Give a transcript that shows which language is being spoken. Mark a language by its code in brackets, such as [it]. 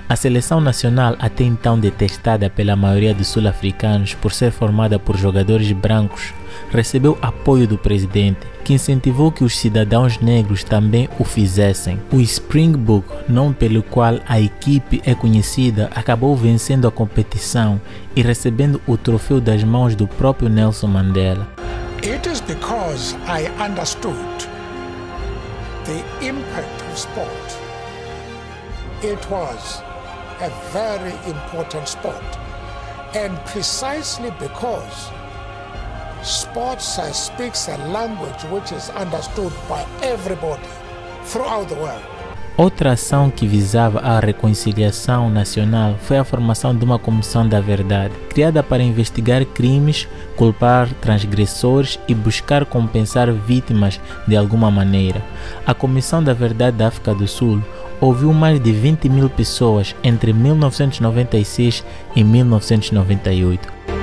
[pt] A seleção nacional, até então detestada pela maioria dos sul-africanos por ser formada por jogadores brancos, recebeu apoio do presidente, que incentivou que os cidadãos negros também o fizessem. O Springbok, nome pelo qual a equipe é conhecida, acabou vencendo a competição e recebendo o troféu das mãos do próprio Nelson Mandela. [en] It is because I understood the impact of sport. It was a very important sport, and precisely because sports speaks a language which is understood by everybody throughout the world. [pt] Outra ação que visava a reconciliação nacional foi a formação de uma comissão da verdade, criada para investigar crimes, culpar transgressores e buscar compensar vítimas de alguma maneira. A Comissão da Verdade da África do Sul ouviu mais de 20 mil pessoas entre 1996 e 1998.